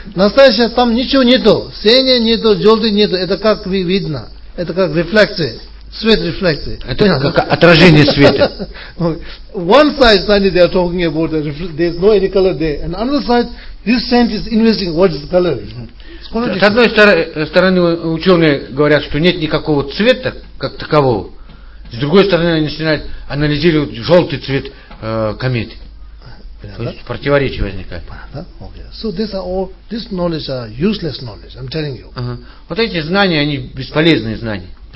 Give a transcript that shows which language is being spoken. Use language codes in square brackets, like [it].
[ru] Настоящее там ничего нету. Синий нету, желтый нету. Это как видно. Это как рефлексия. Свет рефлексии. Это как отражение света. [en] One side scientists they are talking about there is no any color there, and another side this scientist investing what is color. [ru] С одной стороны ученые говорят, что нет никакого цвета как такового. С другой стороны они начинают анализировать желтый цвет комет. Противоречие возникает. [en] So these are all this knowledge are useless knowledge. I'm telling you. [ru] Вот эти знания они бесполезные знания.